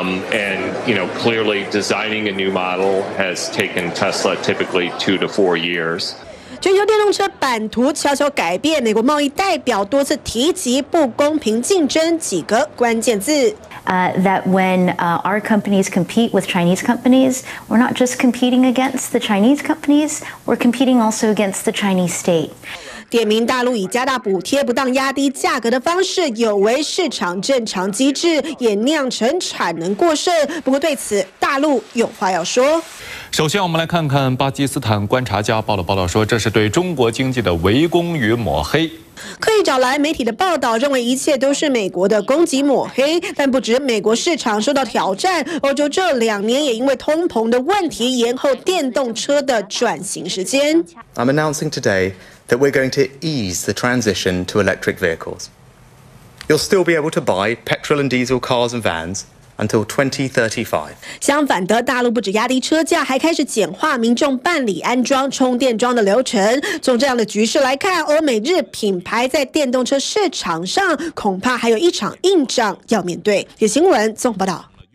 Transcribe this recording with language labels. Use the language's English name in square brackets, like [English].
[English] And you know, clearly designing a new model has taken Tesla typically 2 to 4 years. [Chinese] 全球电动车版图悄悄改变，美国贸易代表多次提及不公平竞争几个关键字。 [English] That when our companies compete with Chinese companies, we're not just competing against the Chinese companies, we're competing also against the Chinese state. [Chinese] 点名大陆以加大补贴、不当压低价格的方式有违市场正常机制，也酿成产能过剩。不过对此大陆有话要说，首先我们来看看巴基斯坦观察家报的报道，说这是对中国经济的围攻与抹黑。刻意找来媒体的报道，认为一切都是美国的攻击抹黑，但不止美国市场受到挑战，欧洲这两年也因为通膨的问题延后电动车的转型时间。 [English] I'm announcing today that we're going to ease the transition to electric vehicles. You'll still be able to buy petrol and diesel cars and vans. Until 2035. [Chinese] 相反的，大陆不止压低车价，还开始简化民众办理安装充电桩的流程。从这样的局势来看，欧美日品牌在电动车市场上恐怕还有一场硬仗要面对。有新闻综合报道。